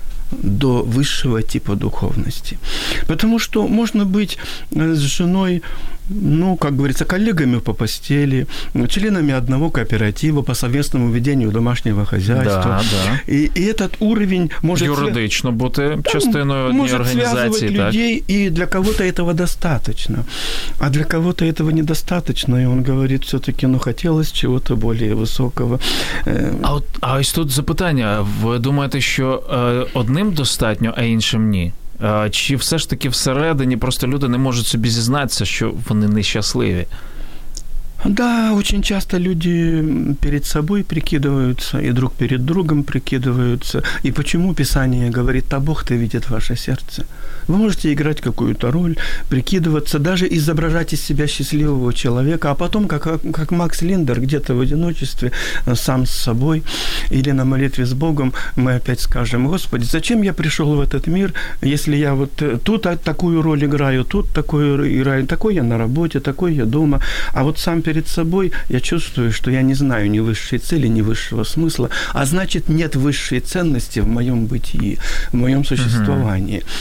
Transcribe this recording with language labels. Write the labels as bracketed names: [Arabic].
[Russian] до высшего типа духовности. Потому что можно быть с женой, ну, как говорится, коллегами по постели, членами одного кооператива по совместному ведению домашнего хозяйства. Да, да. И этот уровень может... Юридично быть частиной одной организации. Может связывать людей, и для кого-то этого достаточно. А для кого-то этого недостаточно. И он говорит, все-таки, ну, хотелось чего-то более высокого. [Ukrainian] А ось тут запитання. Ви думаєте, що одним достатньо, а іншим ні? Чи все ж таки всередині просто люди не можуть собі зізнатися, що вони нещасливі? [Russian] Да, очень часто люди перед собой прикидываются, и друг перед другом прикидываются. И почему Писание говорит, а Бог-то видит ваше сердце? Вы можете играть какую-то роль, прикидываться, даже изображать из себя счастливого человека, а потом, как Макс Линдер, где-то в одиночестве, сам с собой, или на молитве с Богом, мы опять скажем, Господи, зачем я пришел в этот мир, если я вот тут такую роль играю, тут такую играю, такой я на работе, такой я дома, а вот сам перед собой, я чувствую, что я не знаю ни высшей цели, ни высшего смысла, а значит, нет высшей ценности в моем бытии, в моем существовании.